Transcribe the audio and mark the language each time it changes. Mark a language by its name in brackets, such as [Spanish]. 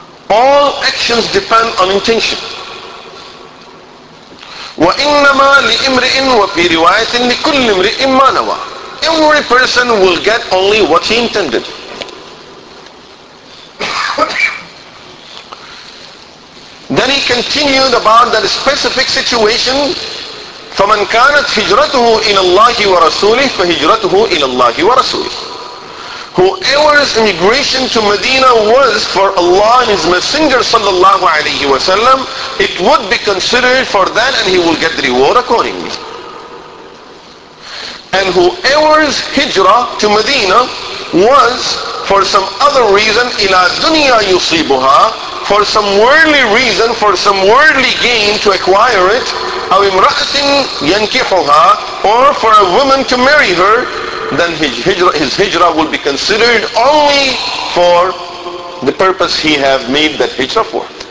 [English] All actions depend on intention. [Arabic] Wa innama li imri'in wa fi riwayatin li kulli imri'in ma nawa. [English] Every person will get only what he intended. Then he continued about that specific situation, [Arabic] فَمَنْ كَانَتْ هِجْرَتُهُ إِلَى اللَّهِ وَرَسُولِهِ فَهِجْرَتُهُ إِلَى اللَّهِ وَرَسُولِهِ. [English] Whoever's immigration to Medina was for Allah and His Messenger sallallahu alayhi wa sallam, it would be considered for that and he will get the reward accordingly. And whoever's hijrah to Medina was for some other reason, [Arabic] إِلَى دُنْيَا يُصِيبُهَا, [English] for some worldly reason, for some worldly gain to acquire it, [Arabic] أَوْ إِمْرَأَةٍ يَنْكِحُهَا, [English] or for a woman to marry her, then his hijrah will be considered only for the purpose he have made that hijrah for.